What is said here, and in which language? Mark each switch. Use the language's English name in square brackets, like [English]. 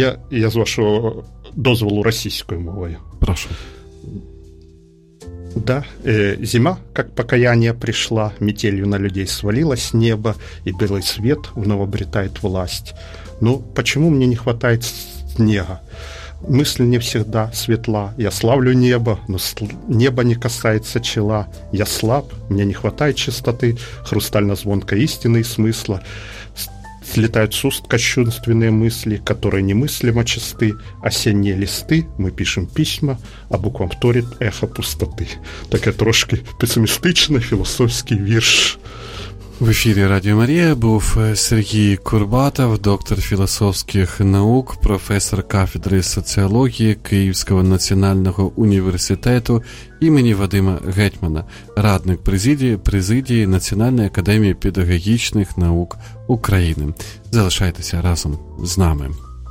[Ukrainian] Я з вашого дозволу російською мовою. Прошу. [Russian] Да, зима, как покаяние, пришла, метелью на людей свалилось небо, и белый свет вновь обретает власть. Но почему мне не хватает снега? Мысль не всегда светла. Я славлю небо, но небо не касается чела. Я слаб, мне не хватает чистоты, хрустально-звонкой истины и смысла. Слетают с уст кощунственные мысли, которые немыслимо чисты. Осенние листы, мы пишем письма, а буквам вторит эхо пустоты. [Ukrainian] Такая трошки пессимистичный философский вирш. В ефірі Радіо Марія був Сергій Курбатов, доктор філософських наук, професор кафедри соціології Київського національного університету імені Вадима Гетьмана, радник президії Національної академії педагогічних наук України. Залишайтеся разом з нами.